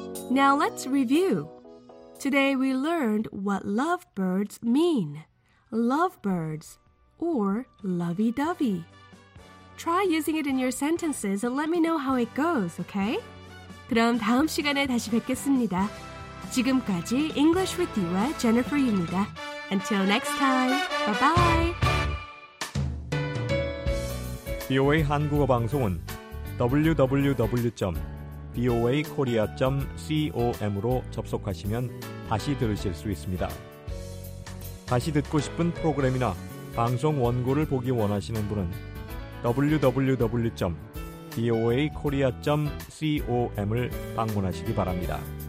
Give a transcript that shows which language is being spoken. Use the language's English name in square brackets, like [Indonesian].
[English] Now let's review. Today we learned what lovebirds mean. Lovebirds, or lovey-dovey. Try using it in your sentences and let me know how it goes, okay? [Korean] 그럼 다음 시간에 다시 뵙겠습니다. 지금까지 English with You와 Jennifer입니다. [English] Until next time, bye-bye! [Korean] BOA 한국어 방송은 www.boakorea.com으로 접속하시면 다시 들으실 수 있습니다. 다시 듣고 싶은 프로그램이나 방송 원고를 보기 원하시는 분은 www.boakorea.com을 방문하시기 바랍니다.